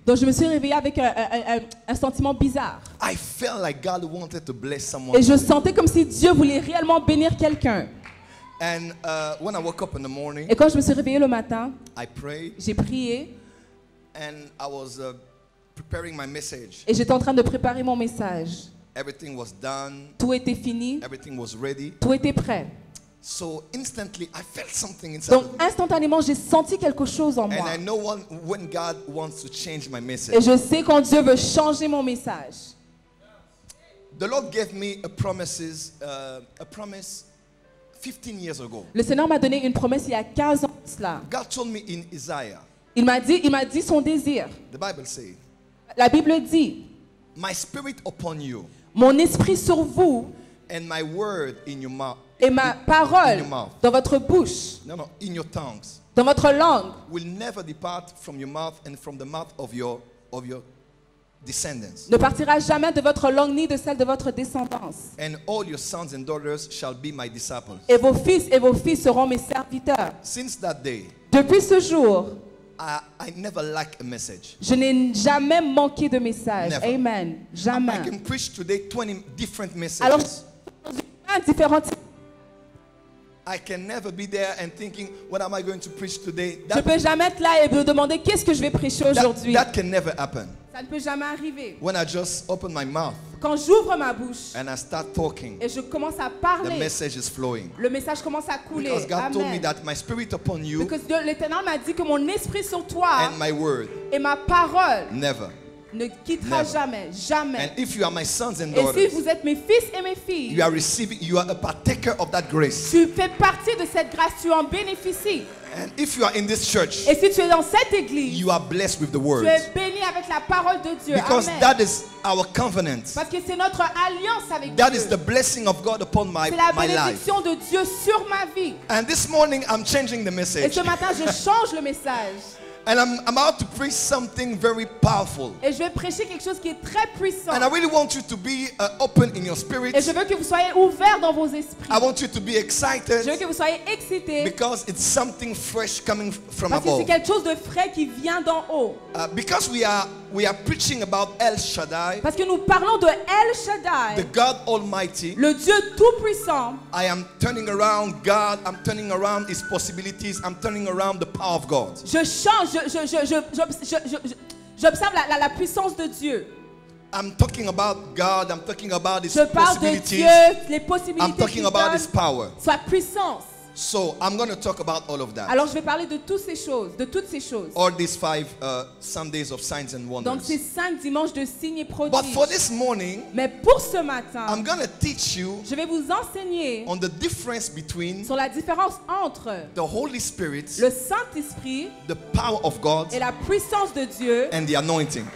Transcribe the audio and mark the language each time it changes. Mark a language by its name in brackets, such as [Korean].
[French] Donc je me suis réveillé avec un sentiment bizarre. [English] I felt like God wanted to bless someone. [French] Et je sentais comme si Dieu voulait réellement bénir quelqu'un. [English] And when I woke up in the morning, [French] et quand je me suis réveillé le matin, [English] I prayed, [French] j'ai prié, [English] and I was preparing my message. [French] Et j'étais en train de préparer mon message. [English] Everything was done. [French] Tout était fini. [English] Everything was ready. [French] Tout était prêt. [English] So instantly, I felt something inside. [French] Donc instantanément, j'ai senti quelque chose en moi. [English] And I know when God wants to change my message. [French] Et je sais quand Dieu veut changer mon message. [English] The Lord gave me a promise. 15 years ago. [French] Le Seigneur m'a donné une promesse il y a 15 ans cela. [English] God told me in Isaiah. [French] Il m'a dit son désir. [English] The Bible says. [French] La Bible dit. [English] My spirit upon you. [French] Mon esprit sur vous. [English] And my word in your mouth. [French] Et ma parole [English] in your mouth. [French] Dans votre bouche. [English] No, in your tongues. [French] Dans votre langue. [English] Will never depart from your mouth and from the mouth of your descendants. [French] Ne partira jamais de votre langue ni de celle de votre descendance. [English] And all your sons and daughters shall be my disciples. [French] Et vos fils et vos filles seront mes serviteurs. [English] Since that day, [French] depuis ce jour, [English] I never lack a message. [French] Je n'ai jamais manqué de message. [English] Never. [French] Amen. Jamais. [English] I can preach today 20 different messages. [French] Alors, différentes. [English] I can never be there and thinking, what am I going to preach today? [French] That, je peux jamais être là et me demander qu'est-ce que je vais prêcher aujourd'hui. [English] That can never happen. [French] Ça ne peut jamais arriver. [English] When I just open my mouth, [French] quand j'ouvre ma bouche, [English] and I start talking, [French] et je commence à parler, [English] the message is flowing. [French] Le message commence à couler. [English] Because God Amen. Told me that my spirit upon you, [French] because l'Éternel m'a dit que mon esprit sur toi, [English] and my word, [French] et ma parole, [English] never. [French] Ne quittera [English] Never. [French] Jamais, jamais. [English] And if you are my sons and daughters, [French] et si vous êtes mes fils et mes filles, [English] you are receiving, you are a partaker of that grace. [French] Tu fais partie de cette grâce, tu en bénéficies. [English] And if you are in this church, [French] et si tu es dans cette église, [English] you are blessed with the word. [French] Tu es béni avec la parole de Dieu. [English] Because Amen. That is our covenant. [French] Parce que c'est notre alliance avec [English] that [French] Dieu. [English] That is the blessing of God upon my life. [French] C'est la bénédiction de Dieu sur ma vie. [English] And this morning I'm changing the message. [French] Et ce matin je change le message. [English] And I'm about to preach something very powerful. [French] Et je vais prêcher quelque chose qui est très puissant. [English] And I really want you to be open in your spirit. [French] Et je veux que vous soyez ouverts dans vos esprits. [English] I want you to be excited. [French] Je veux que vous soyez excités. [English] Because it's something fresh coming from [French] above. Parce que c'est quelque chose de frais qui vient d'en haut. [English] Because we are preaching about El Shaddai. [French] Parce que nous parlons de El Shaddai. [English] The God Almighty. [French] Le Dieu tout puissant. [English] I am turning around God. I'm turning around His possibilities. I'm turning around the power of God. [French] Je change. J'observe la puissance de Dieu. [English] I'm talking about God. I'm talking about His [French] je parle [English] possibilities. [French] De Dieu, les possibilités. [English] I'm talking about His power. [French] Sa puissance. [English] So I'm going to talk about all of that. [French] Alors je vais parler de toutes ces choses, de toutes ces choses. [English] All these five Sundays of signs and wonders. [French] Donc ces cinq dimanches de signes et prodiges. [English] But for this morning, [French] mais pour ce matin, [English] I'm going to teach you. [French] Je vais vous enseigner [English] on the difference between [French] sur la différence entre [English] the Holy Spirit, [French] le Saint-Esprit, [English] the power of God, [French] et la puissance de Dieu, [English] and the anointing,